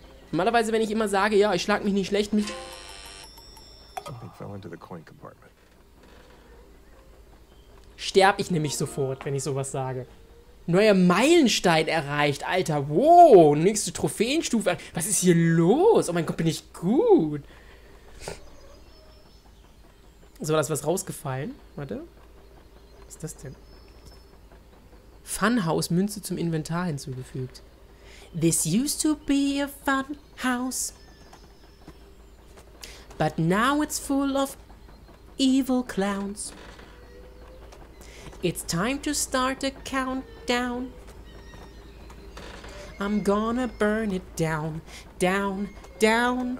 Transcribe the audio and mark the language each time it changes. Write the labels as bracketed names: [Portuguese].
[German] Normalerweise, wenn ich immer sage, ja, ich schlag mich nicht schlecht, mich... [English] Something fell into the coin compartment. [German] Sterb ich nämlich sofort, wenn ich sowas sage. Neuer Meilenstein erreicht, Alter. Wow, nächste Trophäenstufe. Was ist hier los? Oh mein Gott, bin ich gut. So, da ist was rausgefallen. Warte. Was ist das denn? Funhouse Münze zum Inventar hinzugefügt. [English] This used to be a fun house. But now it's full of evil clowns. It's time to start a countdown. I'm gonna burn it down, down, down.